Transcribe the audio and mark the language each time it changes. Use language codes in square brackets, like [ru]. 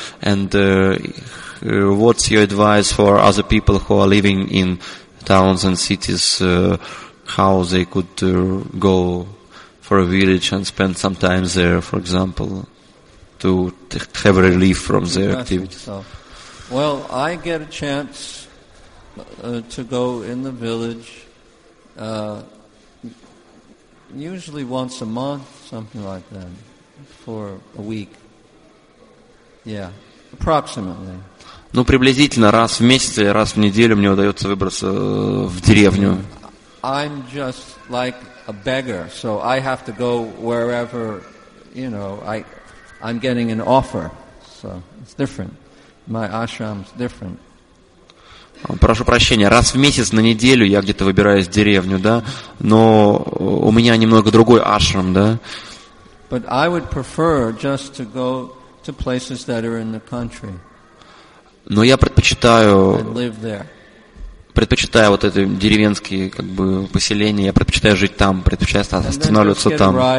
[en] And what's your advice for other people who are living in towns and cities, how they could go for a village and spend some time there, for example, to have a relief from their activities? Well, I get a chance to go in the village usually once a month, something like that, for a week. Yeah, approximately. [ru] Ну, приблизительно раз в месяц, раз в неделю мне удается выбраться в деревню. [en] I'm just like a beggar, so I have to go wherever, you know, I'm getting an offer. So it's different. My ashram's different. [ru] Прошу прощения, раз в месяц на неделю я где-то выбираюсь в деревню, да, но у меня немного другой ашрам, да. [en] But I would prefer just to go to places that are in the country. [ru] Но я предпочитаю вот эти деревенские как бы поселения, я предпочитаю жить там, предпочитаю останавливаться там.